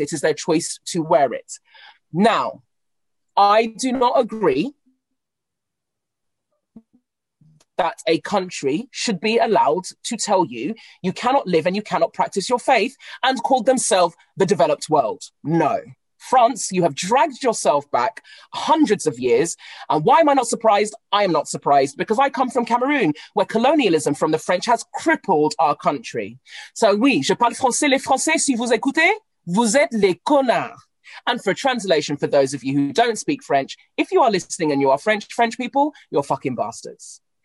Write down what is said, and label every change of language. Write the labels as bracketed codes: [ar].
[en] It is their choice to wear it. Now, I do not agree that a country should be allowed to tell you you cannot live and you cannot practice your faith and call themselves the developed world. No. France, you have dragged yourself back hundreds of years. And why am I not surprised? I am not surprised because I come from Cameroon, where colonialism from the French has crippled our country. [fr] So oui, je parle français. Les Français, si vous écoutez, vous êtes les connards. [en] And for translation, for those of you who don't speak French, if you are listening and you are French, French people, you're fucking bastards.